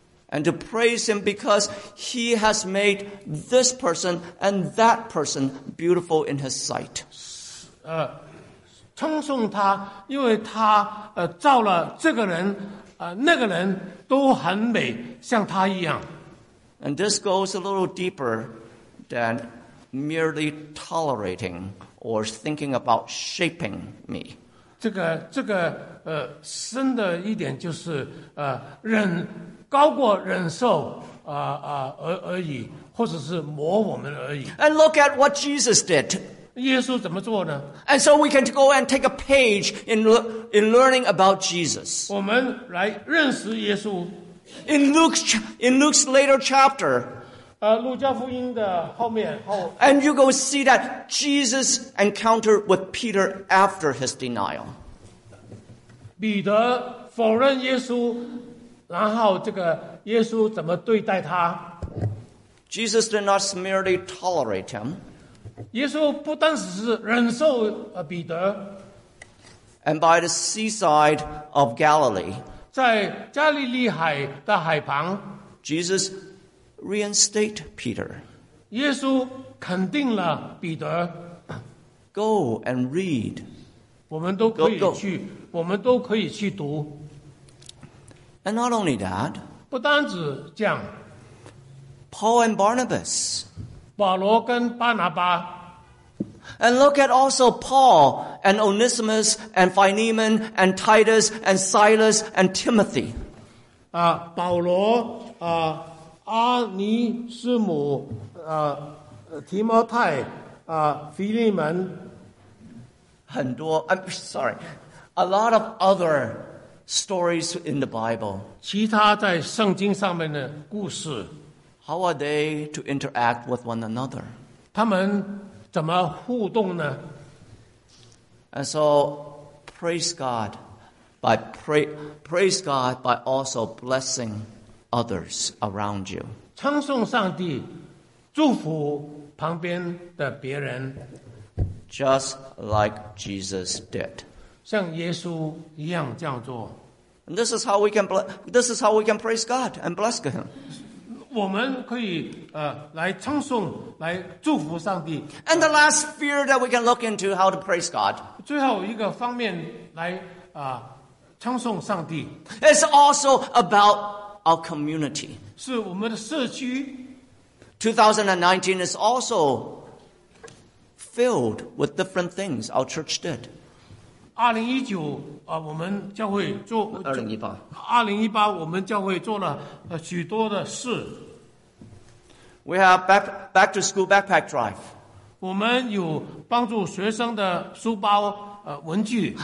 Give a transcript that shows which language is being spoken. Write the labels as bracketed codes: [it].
[en] And to praise Him because He has made this person and that person beautiful in His sight. [zh] 称颂他，因为他造了这个人，那个人都很美，像他一样。 [en] And this goes a little deeper than merely tolerating or thinking about shaping me. [zh] 这个深的一点就是忍高过忍受而已，或者是磨我们而已。 [en] And look at what Jesus did. [zh] 耶稣怎么做呢? [en] And so we can go and take a page in learning about Jesus. [zh] 我们来认识耶稣。 [en] In Luke's later chapter, [zh] 路加福音的后面, [en] and you go see that Jesus encountered with Peter after his denial. [zh] 彼得否认耶稣,然后这个耶稣怎么对待他? [en] Jesus did not merely tolerate him. [zh] 耶稣不单只是忍受彼得 [en] And by the seaside of Galilee [zh] 在加利利海的海旁 [en] Jesus reinstated Peter [zh] 耶稣肯定了彼得 [en] Go and read [zh] 我们都可以去 [en] go, go. [zh] 我们都可以去读 [en] And not only that [zh] 不单只这样 [en] Paul and Barnabas [zh] 保罗跟巴拿巴 [en] And look at also Paul and Onesimus and Philemon and Titus and Silas and Timothy. [zh] 保罗阿尼斯姆提摩太腓利门很多 [en] I'm sorry, a lot of other stories in the Bible. [zh] 其他在圣经上面的故事 [en] How are they to interact with one another? [zh] 他们怎么互动呢? [en] And so, praise God by also blessing others around you. [zh] 称颂上帝，祝福旁边的别人。 [en] Just like Jesus did. [zh] 像耶稣一样这样做。 [en] And this is how we can praise God and bless Him. [zh] 我们可以来称颂，来祝福上帝。 [en] And the last fear that we can look into how to praise God. [zh] 最后一个方面来称颂上帝。 [en] It's also about our community. [zh] 是我们的社区。 [en] 2019 is also filled with different things our church did. [zh] 2019我们教会做2018我们教会做了许多的事。 [en] We have back to school backpack drive. [zh] 我们有帮助学生的书包文具。